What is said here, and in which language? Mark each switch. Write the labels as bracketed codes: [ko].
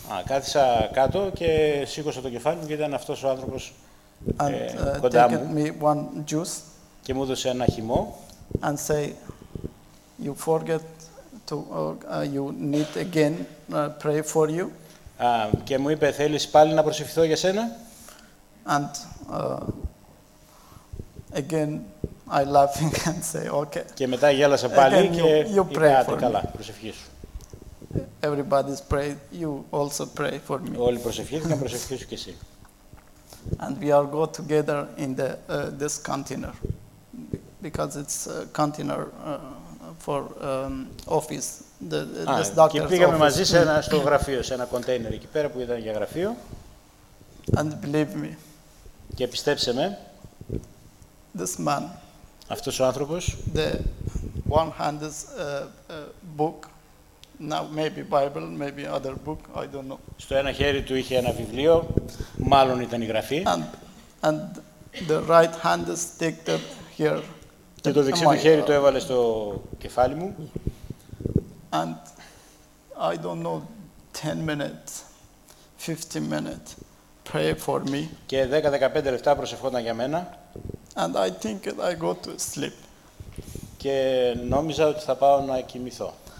[el] Κάθισα κάτω και σήκωσα το κεφάλι μου και ήταν αυτός ο άνθρωπος [en] and, [el] κοντά [en] μου. Me one juice [el] και μου έδωσε ένα χυμό. [en] And say you forget to you need again pray for you. [el] Και μου είπε θέλεις πάλι να προσευχηθώ για σένα. [en] And again, I laughing and say, okay. [el] Και μετά γέλασα πάλι [en] again, [el] και [en] you [el] είπα, [en] for [el] καλά, [en] me. [el] Προσευχήσου. [en] Everybody's prayed, you also pray for me. [el] Όλοι προσευχήθηκαν, προσευχήσου και εσύ. [en] And we are go together in the this container, because it's a container for office, the this doctor's [el] office. Και πήγαμε μαζί σε ένα, στο γραφείο, σε ένα container εκεί πέρα που ήταν για γραφείο. [en] And believe me. [el] Και πιστέψε με. [en] This man, [el] αυτός ο άνθρωπος, [en] the one-handed book, now maybe Bible, maybe other book, I don't know. [el] Στο ένα χέρι του είχε ένα βιβλίο, μάλλον ήταν η γραφή. [en] And the right-handed stick that here. [el] Και το δεξί του χέρι το έβαλε στο κεφάλι μου. [en] And I don't know, 10 minutes, 15 minutes, pray for me. [el] Και 10-15 λεπτά προσευχόταν για μένα. [en] And I think that I go to sleep. [el] Και νόμιζα ότι θα πάω να κοιμηθώ.